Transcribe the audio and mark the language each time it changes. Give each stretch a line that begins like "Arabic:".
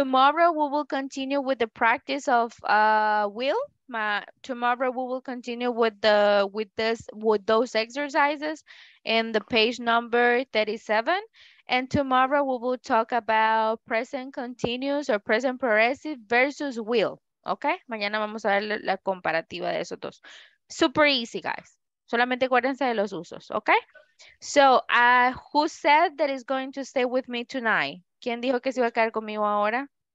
English: Tomorrow we will continue with the practice of will. Tomorrow we will continue with those exercises in the page number 37. And tomorrow we will talk about present continuous or present progressive versus will. Okay?
Spanish: Mañana vamos a ver la comparativa de esos dos.
English: Super easy, guys.
Spanish: Solamente acuérdense de los usos, okay?
English: So, who said that is going to stay with me tonight?
Spanish: ¿Quién dijo que se iba a quedar conmigo ahora?